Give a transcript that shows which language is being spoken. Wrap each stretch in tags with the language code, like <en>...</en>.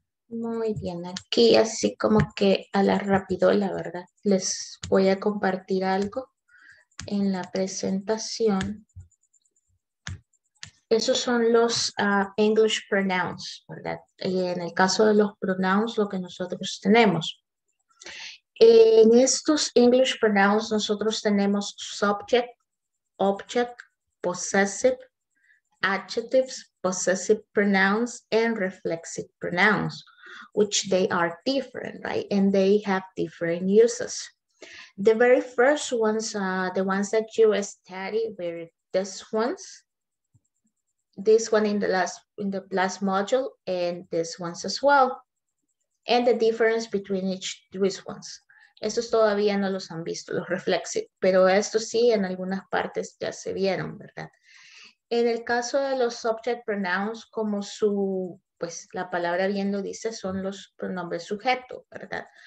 <es>Muy bien, aquí así como que a la rápido, la verdad, les voy a compartir algo en la presentación. Esos son los English pronouns, ¿verdad? Y en el caso de los pronouns, lo que nosotros tenemos. En estos</es> <en>English pronouns</en> <es>nosotros tenemos</es> <en>subject, object, possessive, adjectives, possessive pronouns, and reflexive pronouns, which they are different, right? And they have different uses. The very first ones, the ones that you study, were these ones. This one in the last module, and these ones as well. And the difference between each these ones.</en> <es>Estos todavía no los han visto, los reflexive, pero estos sí en algunas partes ya se vieron, ¿verdad? En el caso de los subject pronouns, como su, pues la palabra bien lo dice, son los pronombres sujeto, ¿verdad?</es>